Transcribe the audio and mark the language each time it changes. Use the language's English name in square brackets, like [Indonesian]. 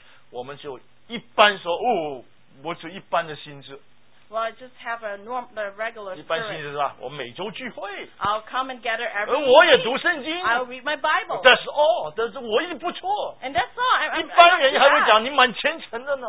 [Chinese] 我们就一般说，哦，我只一般的心志。 [English] Well, I just have a normal, a regular spirit. [Chinese] 一般心志是吧？我每周聚会。 [English] I'll come and gather every week. [Chinese] 我也读圣经。 [English] I'll read my Bible. That's all. [Chinese] 但是我已经不错。 [English] And that's all. [Chinese] 一般人还会讲你蛮虔诚的呢。